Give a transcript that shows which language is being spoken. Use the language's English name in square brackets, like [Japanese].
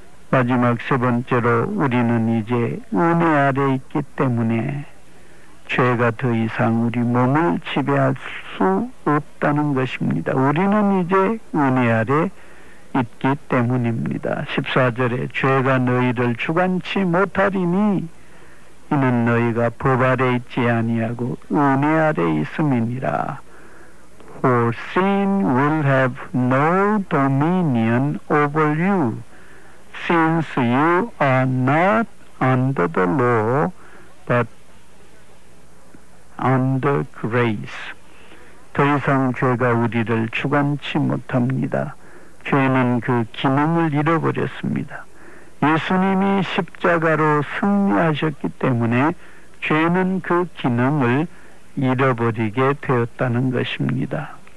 [Korean] 마지막 세 번째로 우리는 이제 은혜 아래 있기 때문에 죄가 더 이상 우리 몸을 지배할 수 없다는 것입니다. 우리는 이제 은혜 아래 있기 때문입니다. 14절에 죄가 너희를 주관치 못하리니 이는 너희가 법 아래 있지 아니하고 은혜 아래 있음이니라. [English] for sin will have no dominion over you, since you are not under the law, but under grace. [Korean] 더 이상 죄가 우리를 주관치 못합니다. 죄는 그 기능을 잃어버렸습니다. 예수님이 십자가로 승리하셨기 때문에 죄는 그 기능을 잃어버리게 되었다는 것입니다.